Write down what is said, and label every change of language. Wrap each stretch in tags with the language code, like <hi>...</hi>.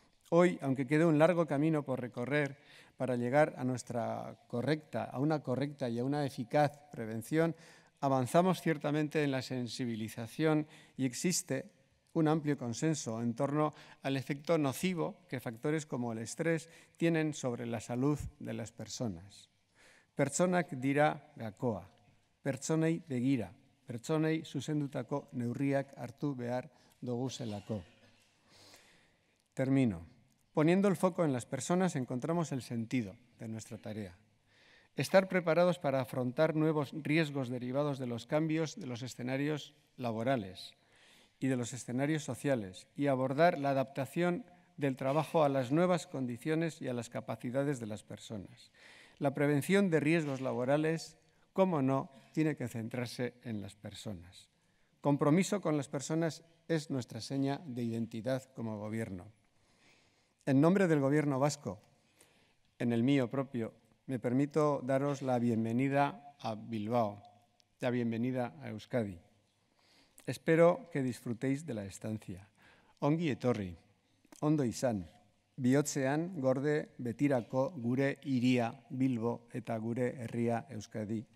<es>Hoy, aunque quede un largo camino por recorrer para llegar a nuestra correcta, a una correcta y a una eficaz prevención, avanzamos ciertamente en la sensibilización y existe un amplio consenso en torno al efecto nocivo que factores como el estrés tienen sobre la salud de las personas.</es> <eu>Pertsonak dira gakoa, pertsonei begira, pertsonei zuzendutako neurriak hartu behar doguzelako.</eu> <es>Termino. Poniendo el foco en las personas encontramos el sentido de nuestra tarea. Estar preparados para afrontar nuevos riesgos derivados de los cambios de los escenarios laborales y de los escenarios sociales y abordar la adaptación del trabajo a las nuevas condiciones y a las capacidades de las personas. La prevención de riesgos laborales, cómo no, tiene que centrarse en las personas. Compromiso con las personas es nuestra seña de identidad como gobierno. En nombre del Gobierno Vasco, en el mío propio, me permito daros la bienvenida a Bilbao, la bienvenida a Euskadi. Espero que disfrutéis de la estancia.</es> <eu>Ongi etorri, ondo izan, bihotzean gorde betirako gure hiria Bilbo eta gure herria Euskadi.</eu>